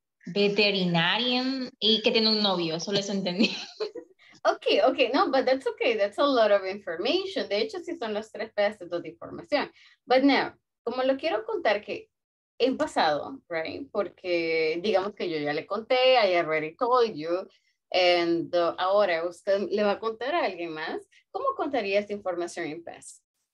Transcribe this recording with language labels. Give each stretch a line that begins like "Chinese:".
Spanish: Veterinarian, y que tiene un novio, solo eso entendí.
English: Okay, no, but that's okay, that's a lot of information.
Spanish: De hecho, sí son los tres pedazos de información.
English: But now,
Spanish: como lo quiero contar que en pasado, right, porque digamos que yo ya le conté,
English: I already told you,
Spanish: and ahora usted le va a contar a alguien más, ¿cómo contaría esta información en past?